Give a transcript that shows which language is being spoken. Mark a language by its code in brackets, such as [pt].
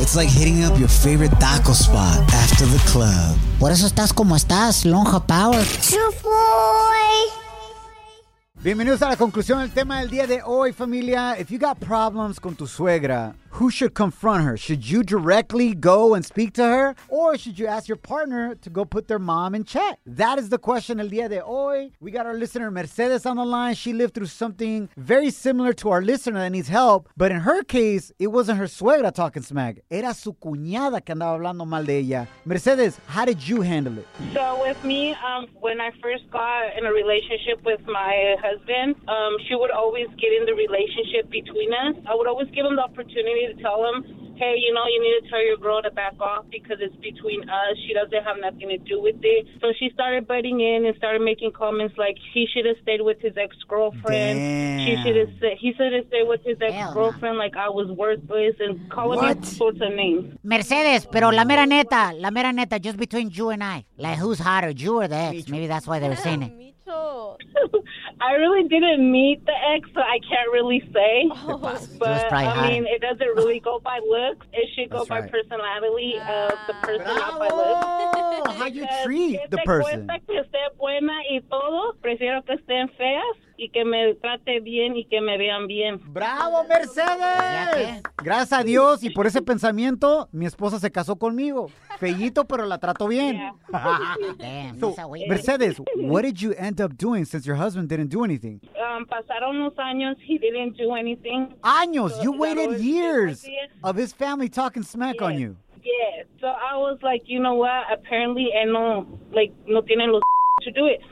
[en] It's like hitting up your favorite taco spot after the club. [es] Por eso estás como estás, lonja power. Shaboy. Bienvenidos a la conclusión del tema del día de hoy, familia. [en] If you got problems [es] con tu suegra, [en] who should confront her? Should you directly go and speak to her? Or should you ask your partner to go put their mom in check? That is the question [es] el día de hoy. [en] We got our listener Mercedes on the line. She lived through something very similar to our listener that needs help. But in her case, it wasn't her suegra talking smack. [es] Era su cuñada que andaba hablando mal de ella. [en] Mercedes, how did you handle it? So with me, when I first got in a relationship with my husband, she would always get in the relationship between us. I would always give him the opportunity to tell him, hey, you know, you need to tell your girl to back off because it's between us. She doesn't have nothing to do with it. So she started butting in and started making comments like he should have stayed with his ex-girlfriend. Damn. He should have stayed with his ex-girlfriend. Like I was worthless and calling what? Me sorts of names. Mercedes, [es] pero la mera neta, [en] just between you and I, like who's hotter, you or the ex? Maybe that's why they were saying it. I really didn't meet the ex, so I can't really say. But I mean, it doesn't really go by looks. It should go by personality of the person, not by looks. How you treat the person. [es] Si te cuesta que esté buena y todo, prefiero que estén feas. Y que me trate bien y que me vean bien. ¡Bravo, Mercedes! Gracias a Dios y por ese pensamiento, mi esposa se casó conmigo. Fellito, pero la trato bien. [en] Yeah. Damn, so, Mercedes, what did you end up doing since your husband didn't do anything? [es] Pasaron unos años, [en] he didn't do anything. [es] ¡Años! [en] So, you waited years of his family talking smack on you. Yeah, so I was like, you know what, apparently [es] él no, [en] like, [es] no tiene los [en] to do it.